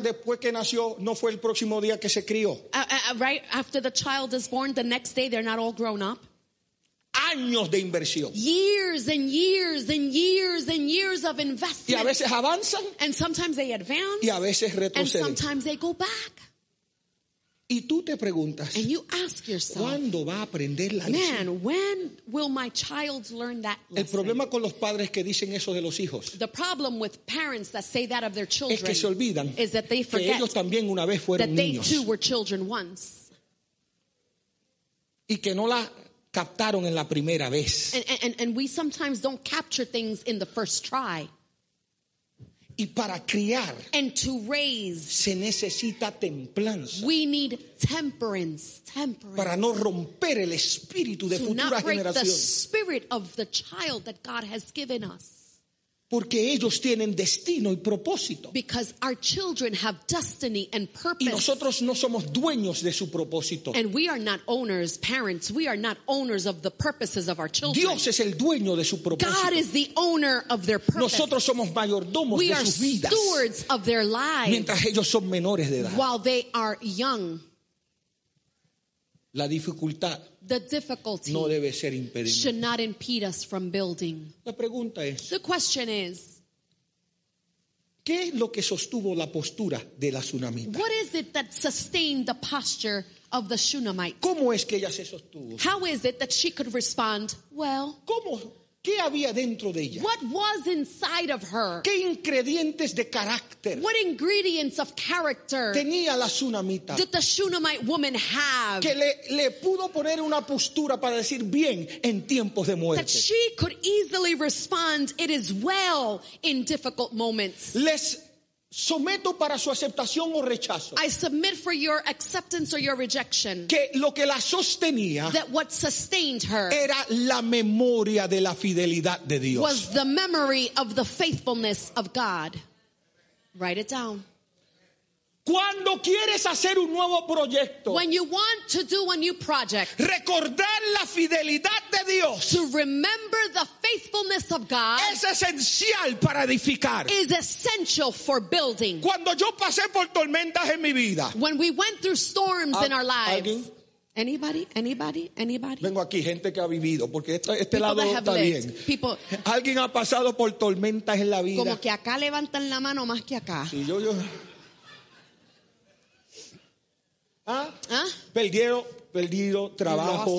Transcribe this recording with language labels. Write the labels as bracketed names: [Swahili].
[Spanish] Después que nació, no fue el próximo día que se crió. [English] Right after the child is born, the next day they're not all grown up. [Spanish] Años de inversión. [English] Years and years and years and years of investment. [Spanish] Y a veces avanzan. [English] And sometimes they advance. [Spanish] Y a veces retroceden. [English] And sometimes they go back. [Spanish] Y tú te preguntas, [English] and you ask yourself, [Spanish] ¿cuándo va a aprender la [English] man, [Spanish] lección? [English] When will my child learn that lesson? [Spanish] El problema con los padres que dicen eso de los hijos, [English] the problem with parents that say that of their children, [Spanish] es que se olvidan, [English] is that they forget [Spanish] que ellos también una vez fueron [English] that [Spanish] niños, [English] they too were children once. [Spanish] Y que no la captaron en la primera vez. [English] And we sometimes don't capture things in the first try. [Spanish] Y para criar, [English] and to raise, [Spanish] se necesita templanza. [English] We need temperance, temperance. [Spanish] Para no romper el espíritu de futuras generaciones. [English] To not break the spirit of the child that God has given us. [Spanish] Porque ellos tienen destino y propósito. [English] Because our children have destiny and purpose. [Spanish] Y nosotros no somos dueños de su propósito. [English] And we are not owners, parents. We are not owners of the purposes of our children. [Spanish] Dios es el dueño de su propósito. [English] God is the owner of their purpose. [Spanish] Nosotros somos mayordomos [English] we [Spanish] de sus vidas. [English] We are stewards of their lives. [Spanish] Mientras ellos son menores de edad. [English] While they are young. [Spanish] La dificultad, [English] the difficulty, [Spanish] no debe ser impedimento, [English] should not impede us from building. [Spanish] La pregunta es, [English] the question is, [Spanish] ¿qué es lo que sostuvo la postura de la tsunamita? [English] What is it that sustained the posture of the Shunammite? [Spanish] ¿Cómo es que ella se sostuvo? [English] How is it that she could respond, well, [Spanish] ¿cómo? ¿Qué había dentro de ella? [English] What was inside of her? [Spanish] ¿Qué ingredientes de carácter? [English] What ingredients of character [Spanish] tenía la tsunamita? [English] Did the Shunammite woman have? [Spanish] Que le pudo poner una postura para decir bien en tiempos de muerte. [English] That she could easily respond, it is well in difficult moments. [Spanish] Les someto para su aceptación o rechazo. [English] I submit for your acceptance or your rejection. [Spanish] Que lo que la sostenía, [English] that what sustained her, [Spanish] era la memoria de la fidelidad de Dios. [English] Was the memory of the faithfulness of God. Write it down. [Spanish] Cuando quieres hacer un nuevo proyecto, [English] when you want to do a new project, [Spanish] recordar la fidelidad de Dios, [English] to remember the faithfulness of God, [Spanish] es esencial para edificar, [English] is essential for building. [Spanish] Cuando yo pasé por tormentas en mi vida, [English] when we went through storms in our lives, anybody? [Spanish] Vengo aquí, gente que ha vivido, porque este lado está bien. Alguien ha pasado por tormentas en la vida. Como que acá levantan la mano más que acá. Sí, yo. ¿Ah? Perdido trabajo.